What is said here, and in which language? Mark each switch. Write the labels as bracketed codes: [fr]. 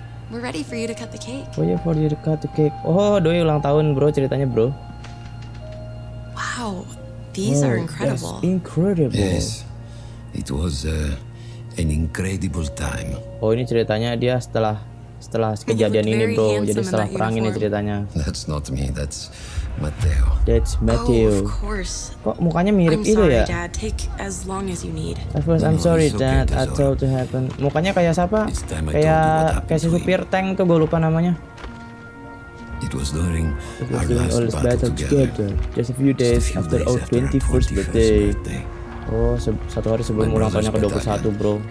[en] We're ready for you to cut the cake. Oh yeah, for you to cut the cake. [id] Oh doi ulang tahun bro, ceritanya bro. [en] Wow, these are incredible. That's incredible. Yes, it was an incredible time. [id] Oh, ini ceritanya dia setelah kejadian ini, bro. Jadi setelah perang ini ceritanya. [en] That's not me. That's Matteo. That's Matteo. Oh, of course. [id] Kok mukanya mirip itu [en] sorry, [id] ya? [en] Dad. Take as long as you need. Of course, no, I'm sorry, Dad. Okay, that told to happen. [id] Mukanya kayak siapa? Kayak si supir tank tuh, gue lupa namanya. [en] It was during our last battle together. Just a few days after our 21st birthday. [id] Oh, satu hari sebelum ulang tahunnya ke-21, bro.